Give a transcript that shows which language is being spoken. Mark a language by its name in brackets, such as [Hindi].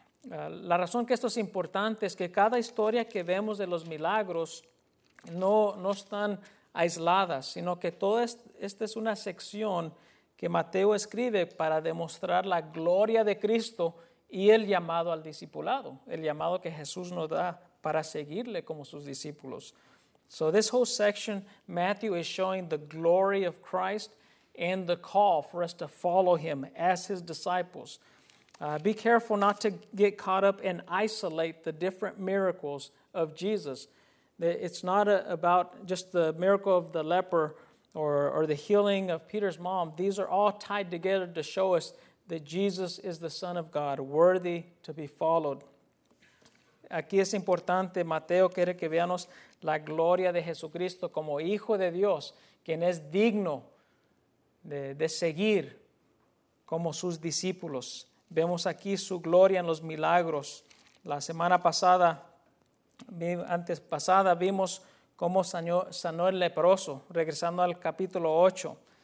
[Spanish] La razón que esto es importante es que cada historia que vemos de los milagros no están aisladas, sino que todo esta es una sección que Mateo escribe para demostrar la gloria de Cristo y el llamado al discipulado, el llamado que Jesús nos da para seguirle como sus discípulos. [English] So this whole section, Matthew is showing the glory of Christ and the call for us to follow him as his disciples. Be careful not to get caught up and isolate the different miracles of Jesus. It's not about just the miracle of the leper or the healing of Peter's mom. These are all tied together to show us that Jesus is the Son of God, worthy to be followed. [Spanish] Aquí es importante, Mateo quiere que veamos la gloria de Jesucristo como Hijo de Dios, quien es digno de seguir como sus discípulos. Vemos aquí su gloria en los milagros. La semana pasada, antes pasada, vimos cómo sanó el leproso, regresando al capítulo 8.